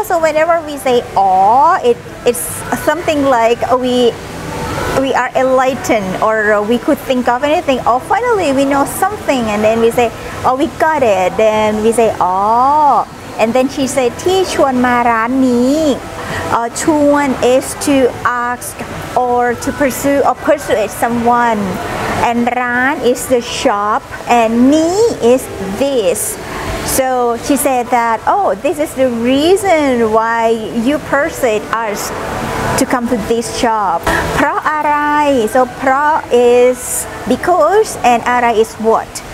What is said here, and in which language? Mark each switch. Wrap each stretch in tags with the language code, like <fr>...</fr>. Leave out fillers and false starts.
<en>So whenever we say aw, it's something like we are enlightened or we could think of anything. Oh, finally we know something, and then we say oh we got it. Then we say aw, and then she say</en> <th>ที่ชวนมาร้านนี้ชวน</th> <en>is to ask or to pursue or persuade someone, and ร้าน is the shop and นี้ is this. So she said that, oh, this is the reason why you persuade us to come to this shop.</en> <th>เพราะอะไร?</th> <en>So เพราะ is because and อะไร is what?</en>